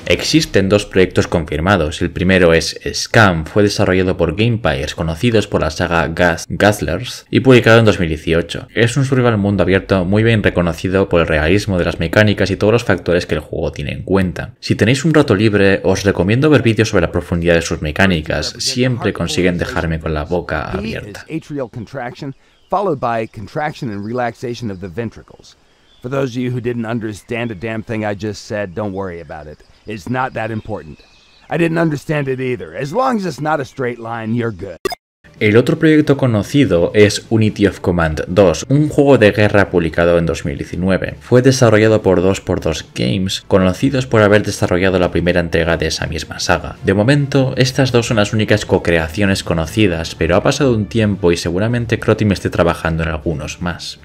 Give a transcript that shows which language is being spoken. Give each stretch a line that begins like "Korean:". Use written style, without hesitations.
Spanish: Existen 2 proyectos confirmados. El primero es Scam, fue desarrollado por Empires, conocidos por la saga Gazlers y publicado en 2018. Es un survival mundo abierto muy bien reconocido por el realismo de las mecánicas y todos los factores que el juego tiene en cuenta. Si tenéis un rato libre, os recomiendo ver vídeos sobre la profundidad de sus mecánicas. Siempre consiguen dejarme con la boca abierta.
English: Atrial contraction, followed by contraction and relaxation of the ventricles. For those of you who didn't understand a damn thing I just said, don't worry about it. It's not that important. I didn't understand it either. As long as it's not a straight line, you're good.
Spanish: El otro proyecto conocido es Unity of Command 2, un juego de guerra publicado en 2019. Fue desarrollado por 2x2 Games, conocidos por haber desarrollado la primera entrega de esa misma saga. De momento, estas dos son las únicas co-creaciones conocidas, pero ha pasado un tiempo y seguramente Croteam esté trabajando en algunos más.